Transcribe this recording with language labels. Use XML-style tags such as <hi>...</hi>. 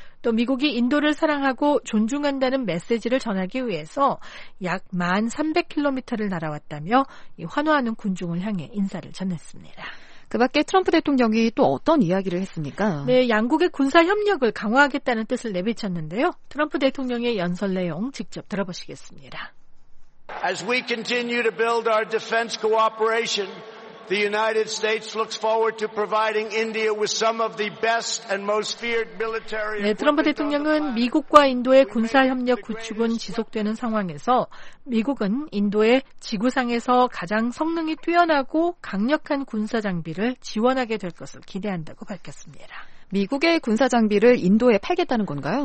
<ko>또 미국이 인도를 사랑하고 존중한다는 메시지를 전하기 위해서 약 1,300km를 날아왔다며 환호하는 군중을 향해 인사를 전했습니다. 그 밖에 트럼프 대통령이 또 어떤 이야기를 했습니까? 네, 양국의 군사협력을 강화하겠다는 뜻을 내비쳤는데요. 트럼프 대통령의 연설 내용 직접 들어보시겠습니다.</ko> <en>As we continue to build our defense cooperation, the United States looks forward to providing India with some of the best and most feared military.</en> <ko>네, 트럼프 대통령은 미국과 인도의 군사 협력 구축은 지속되는 상황에서 미국은 인도에 지구상에서 가장 성능이 뛰어나고 강력한 군사 장비를 지원하게 될 것을 기대한다고 밝혔습니다. 미국의 군사 장비를 인도에 팔겠다는 건가요?</ko>